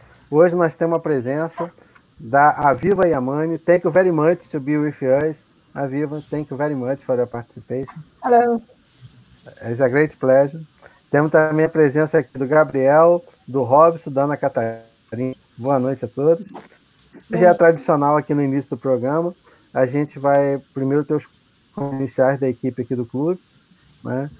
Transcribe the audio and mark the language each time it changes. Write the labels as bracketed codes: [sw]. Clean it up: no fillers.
[pt] Hoje nós temos a presença da Avivah Yamani. [en] Thank you very much to be with us, Avivah. Thank you very much for your participation. Hello. It's a great pleasure. [pt] Temos também a presença aqui do Gabriel, do Robson, da Ana Catarina. Boa noite a todos. Já é tradicional aqui no início do programa, a gente vai primeiro ter os iniciais da equipe aqui do clube, né?